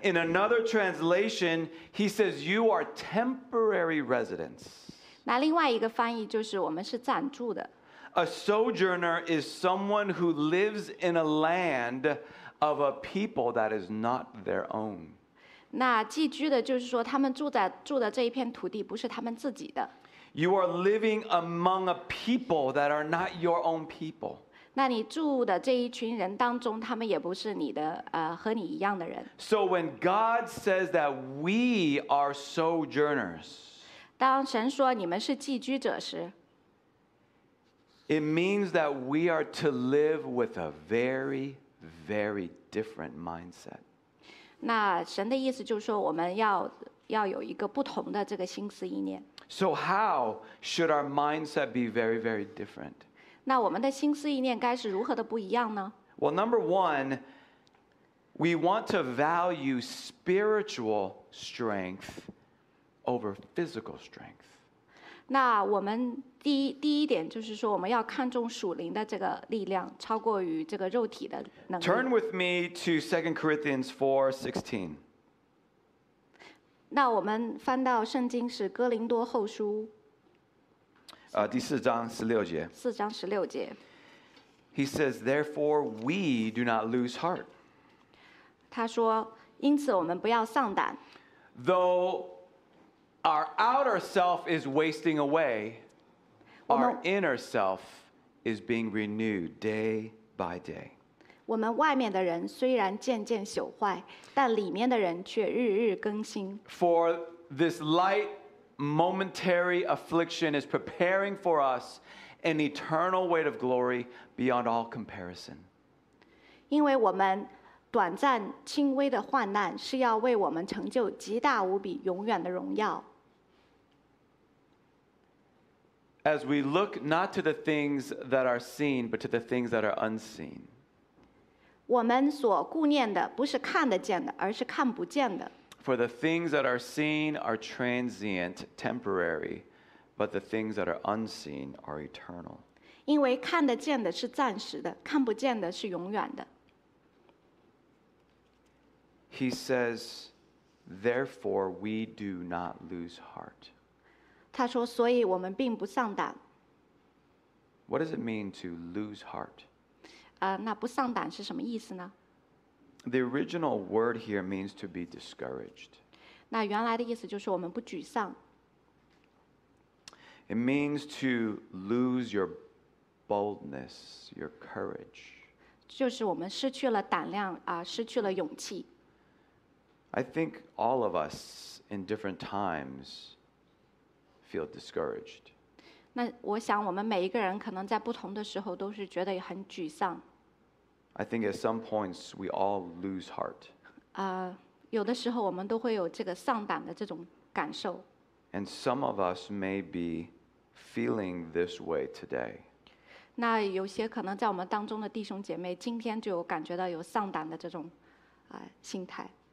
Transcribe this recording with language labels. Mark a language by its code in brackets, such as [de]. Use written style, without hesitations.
[en] In another translation, he says you are temporary residents. [zh] 那另外一个翻译就是我们是暂住的。 [en] A sojourner is someone who lives in a land of a people that is not their own. [zh] 那寄居的就是说他们住的这一片土地不是他们自己的。 [en] You are living among a people that are not your own people. [zh] 那你住的这一群人当中，他们也不是你的，和你一样的人。 [en] So when God says that we are sojourners, [zh] 当神说你们是寄居者时 [en] ，it means that we are to live with a very, very different mindset. [zh] 那神的意思就是说，我们要有一个不同的这个心思意念。 [en] So how should our mindset be very, very different? [zh] 那我们的心思意念该是如何的不一样呢 [en] ？Well, number one, we want to value spiritual strength over physical strength. [zh] 那我们第一点就是说，我们要看重属灵的这个力量，超过于这个肉体的能力。 [en] Turn with me to 2 Corinthians 4:16. [zh] 那我们翻到圣经是哥林多后书。第四章十六节。四章十六节。 [en] He says, therefore, we do not lose heart. [zh] 他说，因此我们不要丧胆。 [en] Though our outer self is wasting away, our inner self is being renewed day by day. [zh] 我们外面的人虽然渐渐朽坏，但里面的人却日日更新。 [en] For this light momentary affliction is preparing for us an eternal weight of glory beyond all comparison. [zh] 因为我们短暂轻微的患难是要为我们成就极大无比永远的荣耀。 [en] As we look not to the things that are seen, but to the things that are unseen. [zh] 我们所顾念的不是看得见的，而是看不见的。 [en] For the things that are seen are transient, temporary, but the things that are unseen are eternal. [zh] 因为看得见的是暂时的，看不见的是永远的。 [en] He says, therefore we do not lose heart. [zh] 他说，所以我们并不丧胆。 [en] What does it mean to lose heart? [zh] 那不丧胆是什么意思呢？ [en] The original word here means to be discouraged. [zh] 那原来的意思就是我们不沮丧。 [en] It means to lose your boldness, your courage. [zh] 就是我们失去了胆量，失去了勇气。 [en] I think all of us in different times feel discouraged. [zh] 那我想我们每一个人可能在不同的时候都是觉得很沮丧。 [en] I think at some points we all lose heart. [zh] 有的时候我们都会有这个丧胆的这种感受。 [en] And some of us may be feeling this way today. [zh] 那有些可能在我们当中的弟兄姐妹今天就有感觉到有丧胆的这种心态。